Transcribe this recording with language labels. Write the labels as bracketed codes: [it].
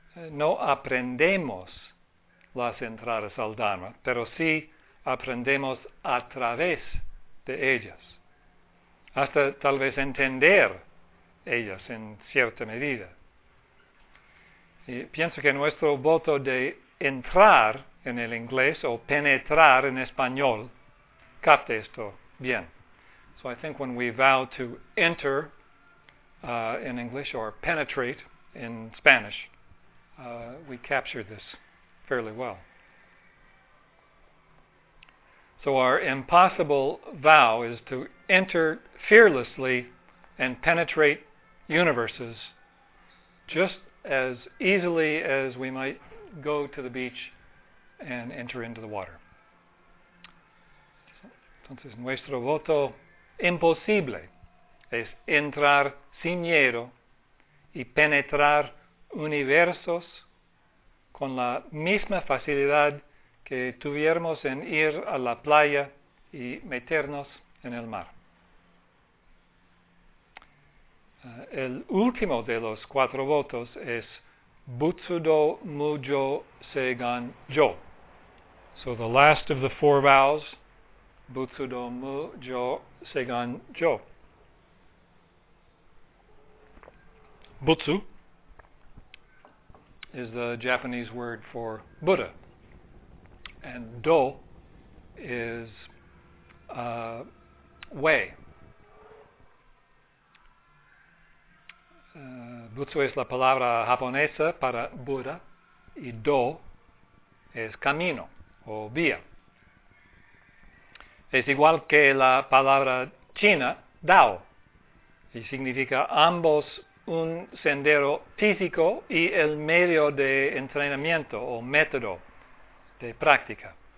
[es] No aprendemos las entradas al Dharma, pero sí aprendemos a través de ellas, hasta tal vez entender ellas en cierta medida. Y pienso que nuestro voto de entrar en el inglés o penetrar en español capte esto bien. [en] So I think when we vow to enter in English or penetrate in Spanish, we capture this fairly well. So our impossible vow is to enter fearlessly and penetrate universes just as easily as we might go to the beach and enter into the water. [es] Entonces, nuestro voto imposible es entrar sin miedo y penetrar universos con la misma facilidad que tuviéramos en ir a la playa y meternos en el mar. El último de los cuatro votos es Butsudo Mujo Seigan Jo. [en] So the last of the four vows, Butsudo Mujo Seigan Jo. Butsu is the Japanese word for Buddha, and Do is way. [es] Butsu es la palabra japonesa para Buda y Do es camino o vía. Es igual que la palabra china, Dao, y significa ambos un sendero físico y el medio de entrenamiento o método de práctica.